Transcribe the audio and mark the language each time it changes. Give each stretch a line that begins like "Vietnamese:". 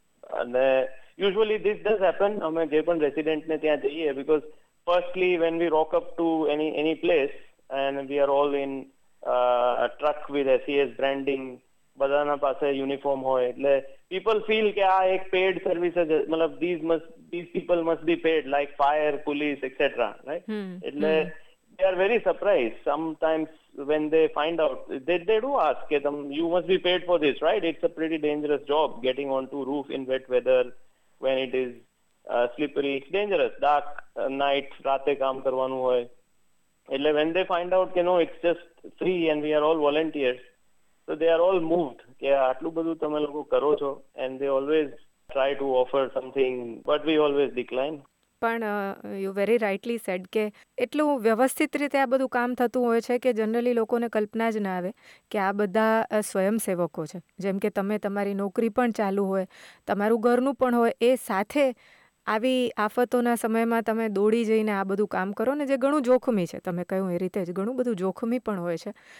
English: અને usually this does happen,
Gujarati: અમે જે પણ રેસિડેન્ટને ત્યાં જઈએ,
English: because firstly when we rock up to any place and we are all in truck with SES branding,
Gujarati: બધાના પાસે યુનિફોર્મ હોય,
English: એટલે people feel કે આ એક પેડ સર્વિસ જ, મતલબ these people must be paid like fire, police, etc. Right? એટલે they are very surprised sometimes when they find out. They do ask કે you must be paid for this, right? It's a pretty dangerous job getting onto roof in wet weather when it is slippery. It's dangerous. Dark night,
Gujarati: રાતે કામ કરવાનું હોય.
English: એટલે when they find out કે no, it's just free and we are all volunteers, so they are all moved
Gujarati: કે આટલું બધું તમે લોકો કરો છો.
English: And they always try to offer something but we always decline.
Gujarati: પણ
English: you very rightly said
Gujarati: કે એટલું વ્યવસ્થિત રીતે આ બધું કામ થતું હોય છે કે જનરલી લોકોને કલ્પના જ ના આવે કે આ બધા સ્વયંસેવકો છે. જેમ કે તમે તમારી નોકરી પણ ચાલુ હોય, તમારું ઘરનું પણ હોય, એ સાથે આવી આફતોના સમયમાં તમે દોડી જઈને આ બધું કામ કરો ને, જે ઘણું જોખમી છે, તમે કહ્યું એ રીતે જ ઘણું બધું જોખમી પણ હોય છે.